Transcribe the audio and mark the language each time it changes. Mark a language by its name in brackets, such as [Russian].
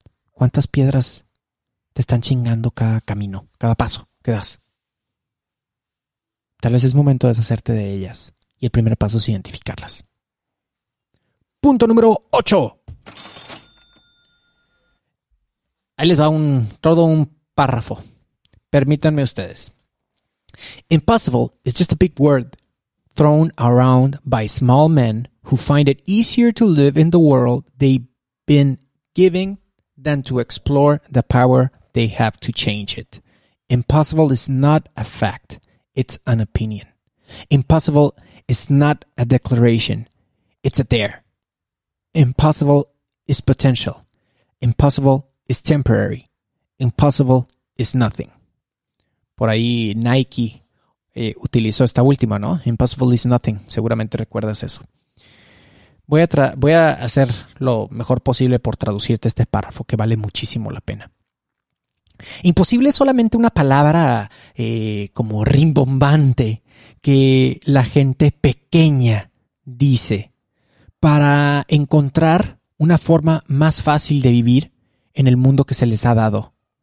[Spanish] ¿Cuántas piedras te están chingando cada camino, cada paso que das? Tal vez es momento de deshacerte de ellas. Y el primer paso es identificarlas. Punto número 8. Ahí les va todo un párrafo. Permítanme ustedes. [English] Impossible is just a big word thrown around by small men who find it easier to live in the world they've been given than to explore the power they have to change it. Impossible is not a fact. It's an opinion. Impossible is not a declaration. It's a dare. Impossible is potential. Impossible is temporary. Impossible is nothing. [Spanish] Por ahí Nike utilizó esta última, ¿no? [English] Impossible is nothing. [Spanish] Seguramente recuerdas eso. Voy a hacer lo mejor posible por traducirte este párrafo que vale muchísimo la pena. Imposible es solamente una palabra como rimbombante que la gente pequeña dice para encontrar una forma más fácil de vivir en el mundo que se les ha dado.